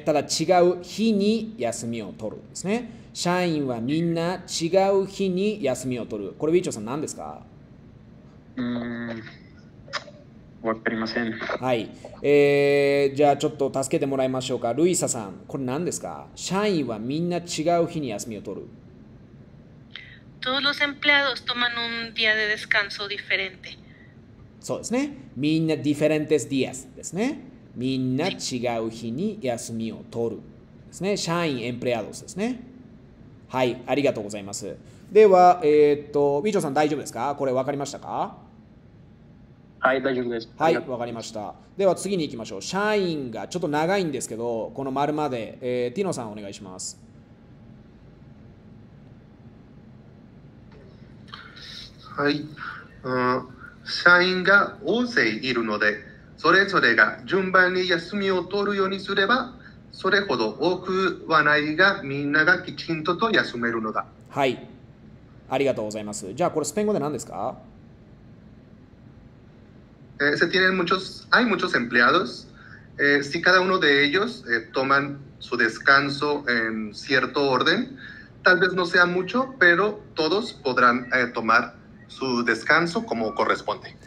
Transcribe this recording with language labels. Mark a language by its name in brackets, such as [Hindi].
[Japanese] ただ違う日に休みを取るですね。社員はみんな違う日に休みを取る。これウィチョさん何ですか？わかりません。はい、じゃあちょっと助けてもらいましょうか。ルイサさん、これ何ですか？社員はみんな違う日に休みを取る。 [Spanish] Todos los empleados toman un día de descanso diferente. [Japanese] そうですね。みんな [Spanish] diferentes días [Japanese] ですね。みんな違う日に休みを取るですね。社員 empleados ですね。はい、ありがとうございます。では、ウィチョさん大丈夫ですか？これわかりましたか？はい、大丈夫です。はい、わかりました。では次に行きましょう。社員がちょっと長いんですけど、この丸まで、ティノさんお願いします。はい、社員が大勢いるので、それぞれが順番に休みを取るようにすれば、それほど多くはないが、みんながきちんとと休めるのだ。はい、ありがとうございます。じゃあこれスペイン語で何ですか？ [Spanish] Se tienen muchos, hay muchos empleados. Si cada uno de ellos toman su descanso en cierto orden, tal vez no sea mucho, pero todos podrán tomar su descanso como corresponde.